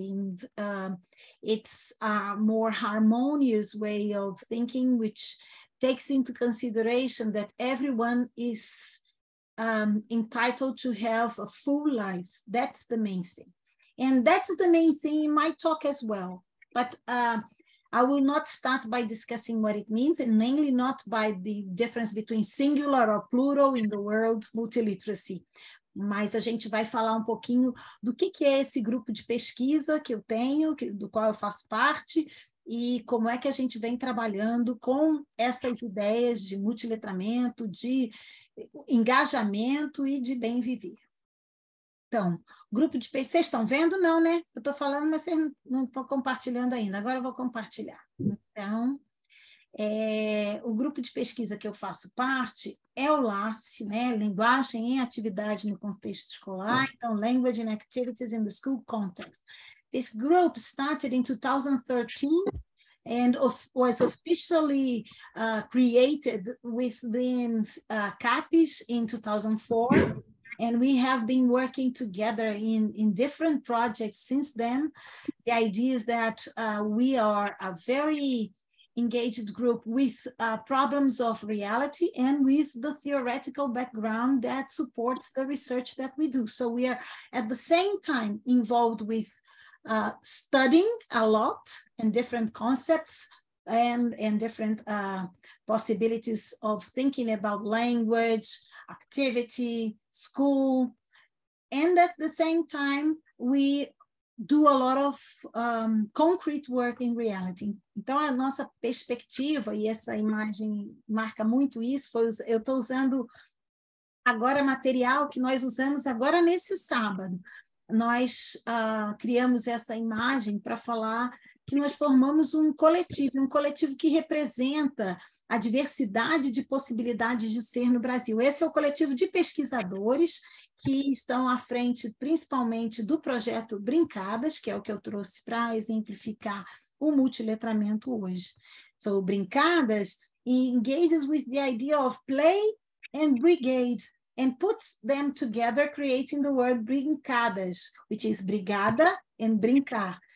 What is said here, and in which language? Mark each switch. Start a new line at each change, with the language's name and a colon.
English: And it's a more harmonious way of thinking, which takes into consideration that everyone is entitled to have a full life. That's the main thing. And that's the main thing in my talk as well. But I will not start by discussing what it means, and mainly not by the difference between singular or plural in the world multiliteracy.
Portuguese: Mas a gente vai falar um pouquinho do que é esse grupo de pesquisa que eu tenho, do qual eu faço parte, e como é que a gente vem trabalhando com essas ideias de multiletramento, de engajamento e de bem viver. Então, grupo de... Vocês estão vendo? Não, né? Eu estou falando, mas vocês não estão compartilhando ainda. Agora eu vou compartilhar. Então, o grupo de pesquisa que eu faço parte é o LACE, né? Linguagem em Atividade no Contexto Escolar.
English: Então, Language and Activities in the School Context. This group started in 2013 and was officially created within CAPES in 2004. And we have been working together in different projects since then. The idea is that we are a very engaged group with problems of reality and with the theoretical background that supports the research that we do. So we are at the same time involved with studying a lot and different concepts and different possibilities of thinking about language, activity, school, and at the same time, we do a lot of concrete work in reality.
Portuguese: Então, a nossa perspectiva, e essa imagem marca muito isso, foi, eu estou usando agora material que nós usamos agora nesse sábado. Nós criamos essa imagem para falar que nós formamos um coletivo que representa a diversidade de possibilidades de ser no Brasil. Esse é o coletivo de pesquisadores que estão à frente principalmente do projeto Brincadas, que é o que eu trouxe para exemplificar o multiletramento hoje.
English: So, Brincadas engages with the idea of play and brigade and puts them together, creating the word brincadas, which is brigada and brincar.